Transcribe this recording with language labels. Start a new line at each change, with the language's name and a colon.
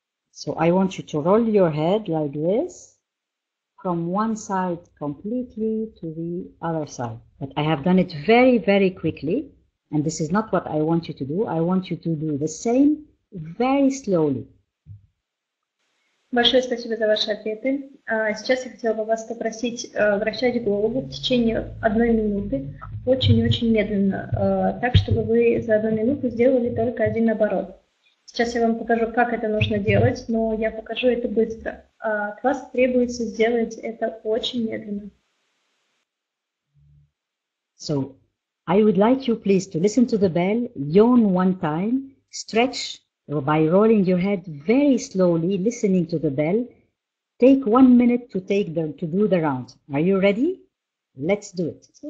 English: So I want you to roll your head like this, from one side completely to the other side. But I have done it very, very quickly. And this is not what I want you to do. I want you to do the same very slowly.
Russian: Большое спасибо за ваши ответы. Сейчас я хотела бы вас попросить вращать голову в течение 1 минуты очень-очень медленно, так, чтобы вы за 1 минуту сделали только 1 оборот. Сейчас я вам покажу, как это нужно делать, но я покажу это быстро. От вас требуется сделать это очень медленно.
English: So, I would like you please to listen to the bell, yawn one time, stretch by rolling your head very slowly, listening to the bell. Take 1 minute to do the round. Are you ready? Let's do it.